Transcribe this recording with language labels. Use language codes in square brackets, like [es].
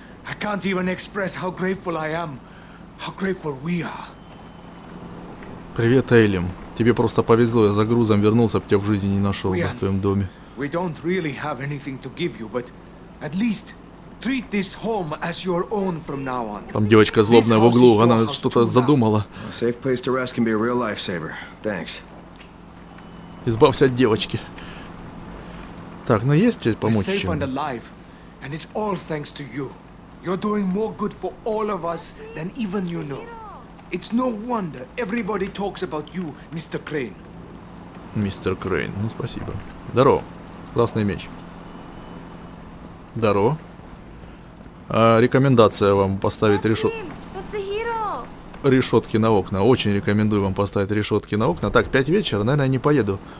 [en] I can't even express how grateful I am. How grateful we are. [ru] Привет, Эйлим. Тебе просто повезло, я за грузом вернулся, б тебя в жизни не нашел бы в твоем доме. [en] We don't really have anything to give you, but at least treat this home as your own from now on. [ru] Там девочка злобная в углу, она что-то задумала. [en] A safe place to rest can be a real lifesaver. Thanks. [ru] Избавься от девочки. Так, ну есть тебе помочь чем? [en] Safe and alive, and it's all thanks to you. You're doing more good for all of us than even you know. It's no wonder everybody talks about you, Mr. Crane. Mr. [ru] Crane, ну спасибо. Здорово. Классный меч. Здорово. А, рекомендация вам поставить решетки на окна. Очень рекомендую вам поставить решетки на окна. Так, 5 вечера, наверное, я не поеду.